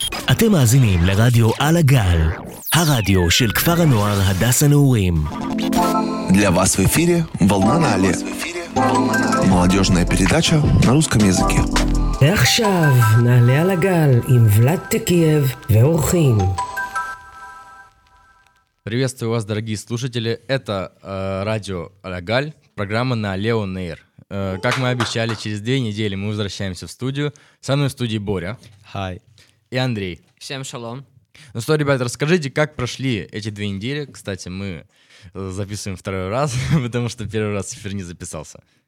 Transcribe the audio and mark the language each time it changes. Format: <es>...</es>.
<he>אתם מאזינים לרדיו על הגל, הרדיו של כפר הנוער הדס הנעורים.</he> <ru>Для вас в эфире волна на Але. Молодежная передача на русском языке.</ru> <he>עכשיו נעלה על הגל עם ולד טקייב ואורחים.</he> <ru>Приветствую вас, дорогие слушатели. Это радио Алягаль, программа на Лео Нейр. Как мы обещали, через две недели мы возвращаемся в студию. Со мной в студии Боря.</ru> <en>Hi.</en> <ru>И Андрей. Всем шалом. Ну что, ребята, расскажите, как прошли эти две недели. Кстати, мы записываем второй раз, потому что первый раз эфир не записался.</ru>